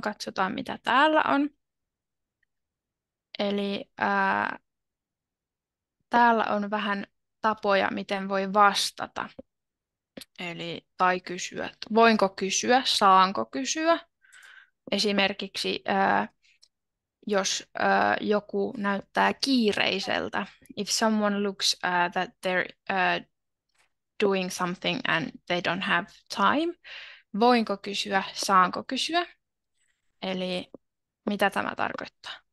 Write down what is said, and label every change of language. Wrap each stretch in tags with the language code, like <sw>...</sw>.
<fi>Katsotaan, mitä täällä on. Eli täällä on vähän tapoja, miten voi vastata. Eli tai kysyä, voinko kysyä, saanko kysyä. Esimerkiksi jos joku näyttää kiireiseltä.</fi> <en>If someone looks that they're doing something and they don't have time.</en> <fi>Voinko kysyä, saanko kysyä? Eli mitä tämä tarkoittaa?</fi>